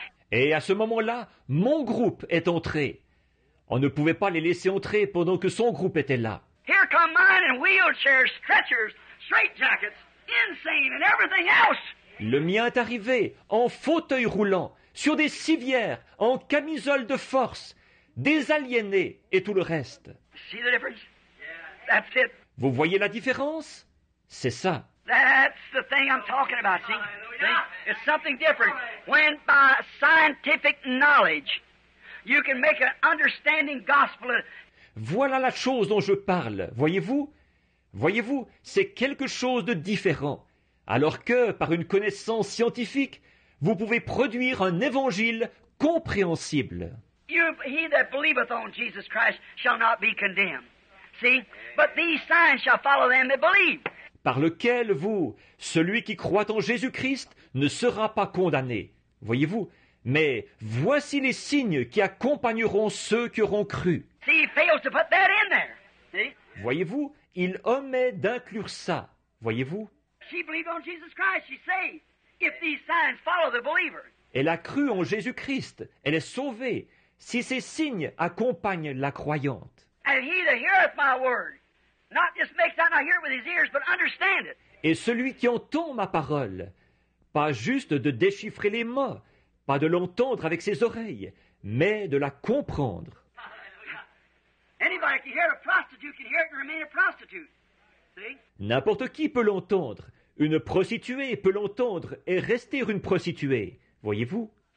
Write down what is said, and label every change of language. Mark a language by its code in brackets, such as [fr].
[fr] Et à ce moment-là, mon groupe est entré. On ne pouvait pas les laisser entrer pendant que son groupe était là. [en] Here come mine and wheelchairs, stretchers, straitjackets, insane and everything else. [fr] Le mien est arrivé en fauteuil roulant, sur des civières, en camisole de force, des aliénés et tout le reste. [en] See the difference? That's it. [fr] Vous voyez la différence? C'est ça. [en] That's the thing I'm talking about, see? See? It's something different. When by scientific knowledge, you can make an understanding gospel. [fr] Voilà la chose dont je parle, voyez-vous? Voyez-vous, c'est quelque chose de différent. Alors que, par une connaissance scientifique, vous pouvez produire un évangile compréhensible. [en] He that believeth on Jesus Christ shall not be condemned. See? But these signs shall follow them that believe. [fr] Par lequel, vous, celui qui croit en Jésus-Christ, ne sera pas condamné. Voyez-vous? Mais voici les signes qui accompagneront ceux qui auront cru. [en] See, he fails to put that in there. See? [fr] Voyez-vous? Il omet d'inclure ça. Voyez-vous? [en] She believed on Jesus Christ, she's saved. If these signs follow the believer. [fr] Elle a cru en Jésus-Christ. Elle est sauvée. Si ces signes accompagnent la croyante. [en] And he that heareth my word, not just makes out not hear it with his ears, but understand it. [fr] Et celui qui entend ma parole, pas juste de déchiffrer les mots, pas de l'entendre avec ses oreilles, mais de la comprendre. [en] Anybody can hear a prostitute can hear it and remain a prostitute. [fr] N'importe qui peut l'entendre. Une prostituée peut l'entendre et rester une prostituée, voyez-vous?